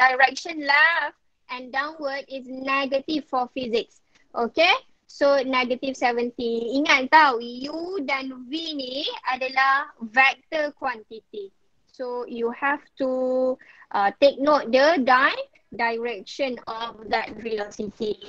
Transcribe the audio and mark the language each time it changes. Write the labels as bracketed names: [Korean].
[English] Direction left and downward is negative for physics. Okay? So, negative 70. [Malay] Ingat tau, U dan V ni adalah vector quantity. [English] So, you have to take note the direction of that velocity.